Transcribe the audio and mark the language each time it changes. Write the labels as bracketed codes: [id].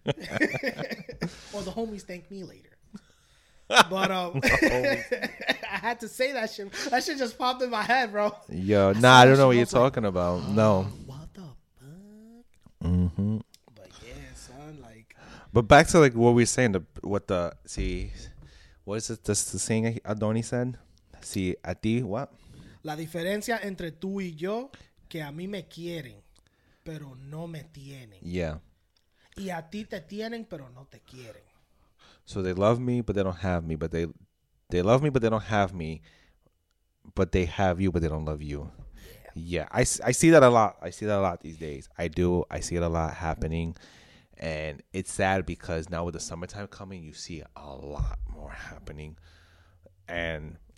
[en] Or the homies thank me later. But I had to say that shit. That shit just popped in my head, bro. Yo, I don't know what you're talking about. No. What the fuck? But yeah, son, like, but back to like what we were saying, what is it, this the saying Adoni said? See, [es] a ti [en] what? [es] La diferencia entre tú y yo que a mí me quieren. Pero no me tienen. [en] Yeah. [es] Y a ti te tienen, pero no te quieren. [en] So they love me, but they don't have me. But they love me, but they don't have me. But they have you, but they don't love you. Yeah. Yeah. I see that a lot. I see that a lot these days. I do. I see it a lot happening. And it's sad because now with the summertime coming, you see a lot more happening. And